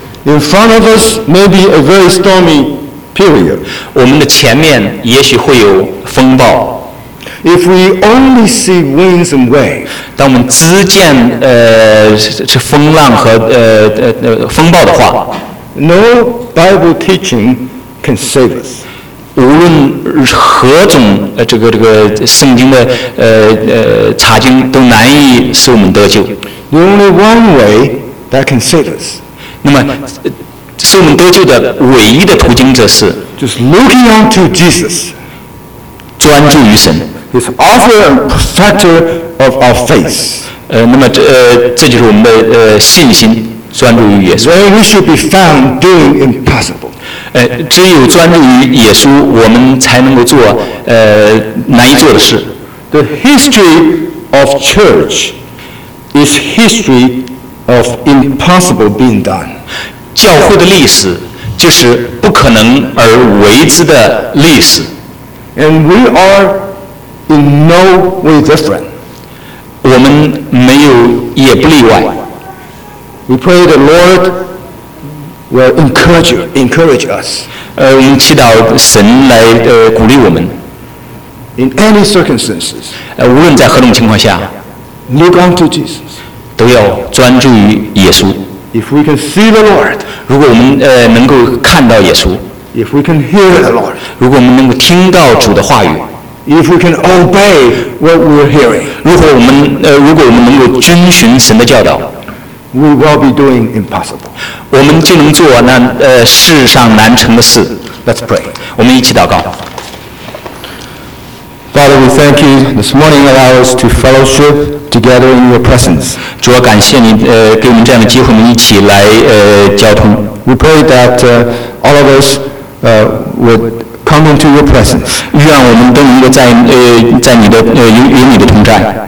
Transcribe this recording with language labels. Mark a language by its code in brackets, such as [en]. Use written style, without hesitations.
[en] In front of us may be a very stormy period. [zh] 我们的前面也许会有风暴。 [en] If we only see winds and waves. [zh] 当我们只见是风浪和风暴的话。 [en] No Bible teaching can save us. [zh] 无论何种这个圣经的查经都难以使我们得救。 [en] The only one way that can save us. [zh] 那么使我们得救的唯一的途径则是 [en] just looking onto Jesus. [zh] 专注于神。 [en] His author and perfecter of our faith. [zh] 那么这就是我们的信心。专注于耶稣。 [en] Then we should be found doing impossible. [zh] 只有专注于耶稣，我们才能够做难以做的事。 [en] The history of church is history of impossible being done. [zh] 教会的历史就是不可能而为之的历史。 [en] And we are in no way different. [zh] 我们没有也不例外。 [en] We pray the Lord will encourage us. [zh] 我们祈祷神来鼓励我们。 [en] In any circumstances. [zh] 无论在何种情况下。 [en] Look unto Jesus. [zh] 都要专注于耶稣。 [en] If we can see the Lord. [zh] 如果我们能够看到耶稣。 [en] If we can hear the Lord, [zh] 如果我们能够听到主的话语 [en] ，If we can obey what we're hearing, [zh] 如果我们能够遵循神的教导 [en] ，We will be doing impossible. [zh] 我们就能做世上难成的事。 [en] Let's pray. [zh] 我们一起祷告。 [en] Father, we thank you this morning allow us to fellowship together in your presence. [zh] 主啊，感谢你给我们这样的机会，我们一起来交通。 [en] We pray that all of us would come into your presence. [zh] 愿我们都能够在你的与你的同在。